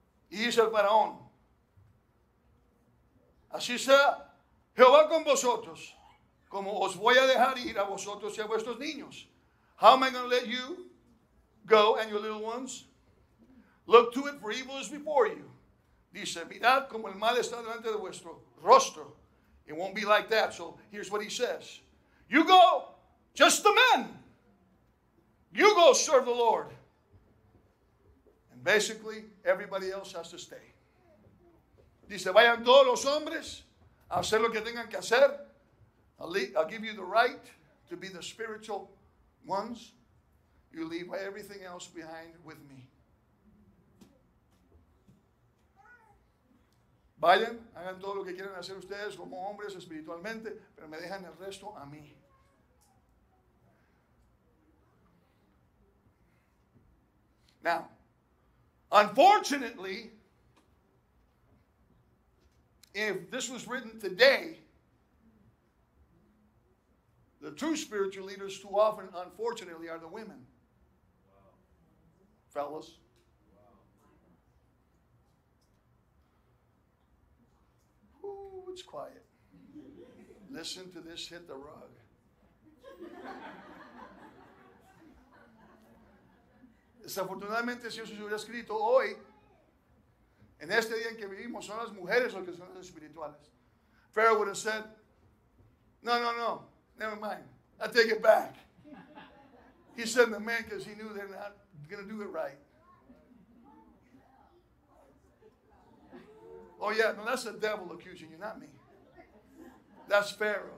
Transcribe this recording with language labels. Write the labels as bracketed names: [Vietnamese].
[Spanish] Y dice el faraón, así sea Jehová con vosotros, como os voy a dejar ir a vosotros y a vuestros niños. [English] How am I going to let you go and your little ones? Look to it, for evil is before you. [Spanish] Dice, mirad como el mal está delante de vuestro rostro. [English] It won't be like that. So here's what he says. You go, just the men. You go serve the Lord. And basically, everybody else has to stay. [Spanish] Dice, vayan todos los hombres a hacer lo que tengan que hacer. [English] I'll give you the right to be the spiritual ones. You leave everything else behind with me. [Spanish] Vayan, hagan todo lo que quieran hacer ustedes como hombres espiritualmente, pero me dejan el resto a mí. [English] Now, unfortunately, if this was written today, the true spiritual leaders too often, unfortunately, are the women. Wow. Fellas. It's quiet. Listen to this hit the rug. [Spanish] Desafortunadamente, si eso se hubiera escrito hoy, en este día en que vivimos, son las mujeres las que son las espirituales. [English] Pharaoh would have said, no, no, no, never mind. I take it back. He sent the men because he knew they're not going to do it right. Oh, yeah, no, that's the devil accusing you, not me. That's Pharaoh.